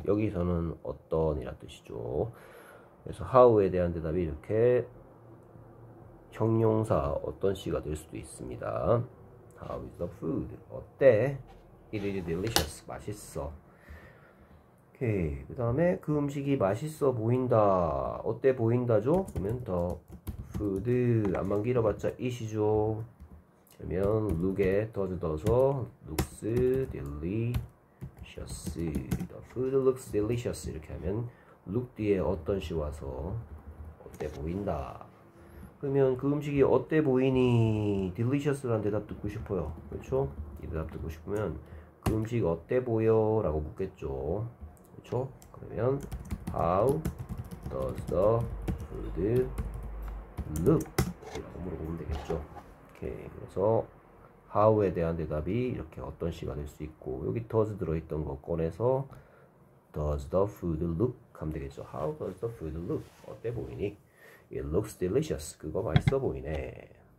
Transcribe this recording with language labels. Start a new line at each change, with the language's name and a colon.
Korean: 여기서는 어떤 이란 뜻이죠. 그래서 how에 대한 대답이 이렇게 형용사 어떤 시가 될 수도 있습니다.
English: How is the food?
Korean: 어때?
English: It is delicious.
Korean: 맛있어. 오케이. 그 다음에 그 음식이 맛있어 보인다. 어때 보인다죠? 그러면
English: the food.
Korean: 앞만 길어봤자 it이죠. 그러면
English: look at,
Korean: 더듬어서
English: looks delicious. The food looks delicious.
Korean: 이렇게 하면 look 뒤에 어떤 시 와서 어때 보인다. 그러면 그 음식이 어때 보이니? delicious란 대답 듣고 싶어요. 그렇죠? 이 대답 듣고 싶으면 그 음식 어때 보여? 라고 묻겠죠. 그렇죠? 그러면
English: How does the food look?
Korean: 이라고 물어보면 되겠죠. 오케이. 그래서 how에 대한 대답이 이렇게 어떤 시가 될수 있고 여기 does 들어있던 거 꺼내서
English: does the food look? 하면 되겠죠. How does the food look?
Korean: 어때 보이니?
English: It looks delicious.
Korean: 그거 맛있어 보이네.